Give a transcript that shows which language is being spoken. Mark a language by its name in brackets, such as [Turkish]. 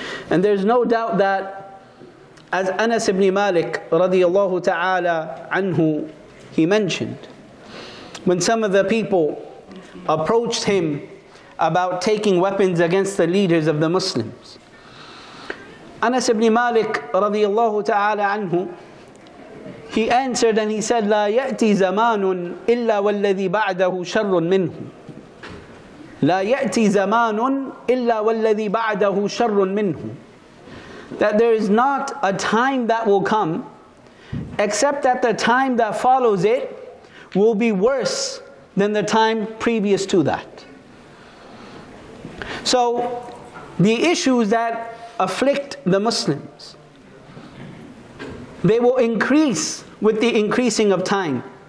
[English] And there's no doubt that, as Anas ibn Malik radiallahu ta'ala anhu, he mentioned, when some of the people approached him about taking weapons against the leaders of the Muslims, Anas ibn Malik radiallahu ta'ala anhu, he answered and he said, [Arabic] لا يأتي زمان إلا والذي بعده شر منه. لا يأتي زمان إلا والذي بعده شر منه. [English] That there is not a time that will come except that the time that follows it will be worse than the time previous to that. So the issues that afflict the Muslims, they will increase with the increasing of time.